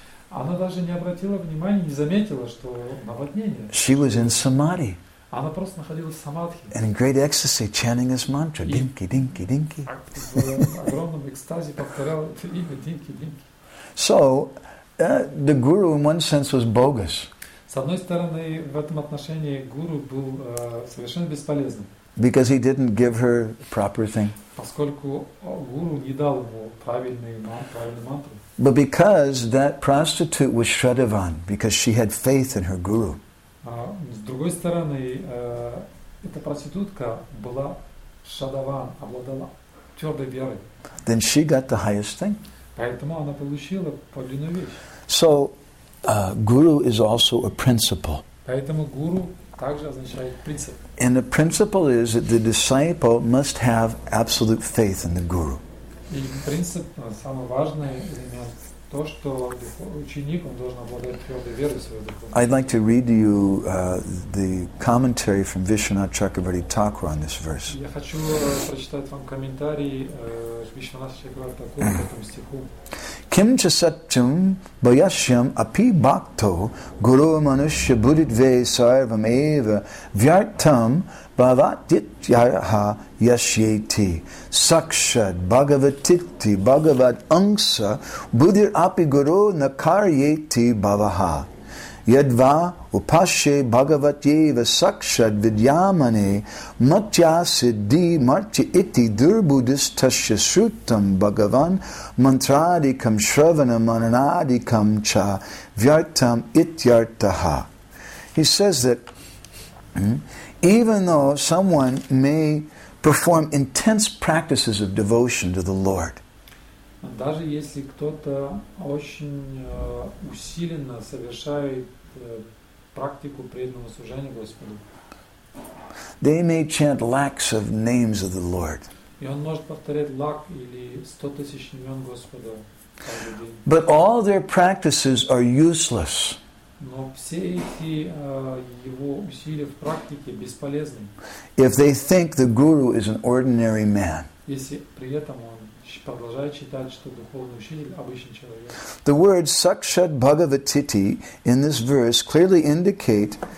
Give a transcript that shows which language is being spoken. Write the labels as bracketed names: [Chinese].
[Russian] Она даже не обратила внимания, не заметила, что наводнение. [English] She was in samadhi. [Russian] Она просто находилась в самадхи. [English] And in great ecstasy, chanting his mantra, dinky, dinky, dinky. [Russian] В огромном экстазе повторял это имя, dinky, dinky. [English] So, the guru, in one sense, was bogus. [Russian] С одной стороны, в этом отношении гуру был совершенно бесполезным. [English] Because he didn't give her proper thing. [Russian] Поскольку гуру не дал ему правильную мантру. [English] But because that prostitute was Shradhavan, because she had faith in her guru. [Russian] С другой стороны, эта проститутка была шадаван, обладала твердой верой. [English] Then she got the highest thing. [Russian] Поэтому она получила подлинную вещь. [English] So, guru is also a principle. [Russian] Поэтому гуру также означает принцип. [English] And the principle is that the disciple must have absolute faith in the guru. [Russian] И принцип, самый важный элемент. То, что ученик, он должен обладать твердой верой в свою духовную. [English] I'd like to read to you the commentary from Vishwanath Chakravarti Thakur on this verse. [Russian] Я хочу прочитать вам комментарий Вишванатха Чакраварти Такура к этому стиху. [Sanskrit] Кимча сатчам баяшям апи бхакто гуру манушья буддитве сарвам эва вьяртам бхаватитьяха Yashyeti, Sakshad, Bhagavatiti, Bhagavat Angsa, Buddhir Api Guru Nakaryeti Bhavaha, Yadva Upashe Bhagavat Yeva Sakshad Vidyamane, Matya Siddhi Marti Iti Durbuddhis Tasya Srutam Bhagavan, Mantradikam Shravanam Ananadikam Cha, Vyartam Ityartaha. [English] He says that even though someone may perform intense practices of devotion to the Lord. [Russian] Даже если кто-то очень усиленно совершает практику преданного служения Господу. [English] They may chant lakhs of names of the Lord. [Russian] И он может повторять лакх или 100 000 имен Господа каждый день. [English] But all their practices are useless. [Russian] Но все эти его усилия в практике бесполезны. [English] If they think the guru is an ordinary man. [Russian] Если при этом он продолжает считать, что духовный учитель обычный человек. [English] The words sakshad bhagavatiti in this verse clearly indicate.